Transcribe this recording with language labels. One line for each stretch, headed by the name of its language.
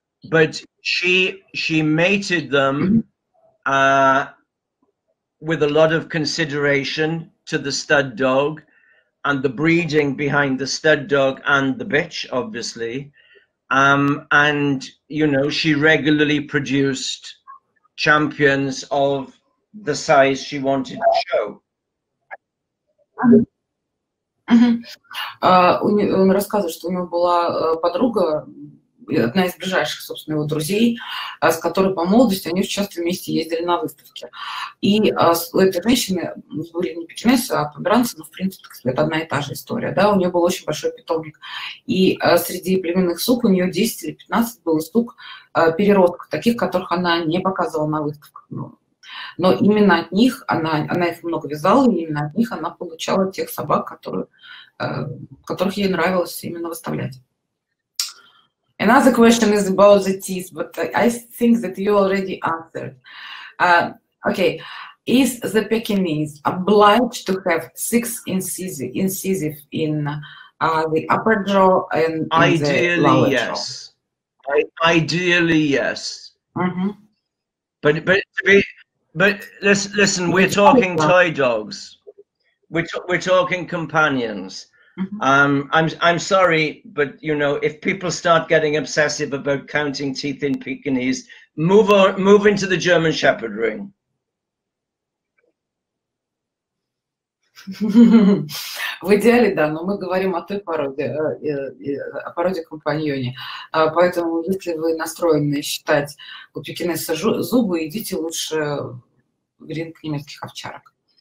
English: But she mated them with a lot of consideration to the stud dog and the breeding behind the stud dog and the bitch, obviously. And, you know, she regularly produced champions of the size she wanted to show.
Russian: Он рассказывает, что у него была подруга, одна из ближайших, собственно, его друзей, с которой по молодости они часто вместе ездили на выставки. И у этой женщины были не пекинесы, а померанцы, но, в принципе, это одна и та же история. Да? У нее был очень большой питомник. И среди племенных сук у нее 10 или 15 было сук переродка, таких, которых она не показывала на выставках. Но именно от них, она их много вязала, и именно от них она получала тех собак, которых ей нравилось именно выставлять.
English: Another question is about the teeth, but I think that you already answered. Okay, is the Pekinese obliged to have six incisive in the upper jaw and in the lower jaw? Ideally, yes. Mm-hmm. But listen, we're talking toy dogs. We're talking companions. I'm sorry, but you know, if people start getting obsessive about counting teeth in Pekinese, move into the German Shepherd ring.
Russian: В идеале, да, но мы говорим о той породе, о породе компаньоне. Поэтому, если вы настроены считать у пекинеса зубы, идите лучше в ринг немецких овчарок.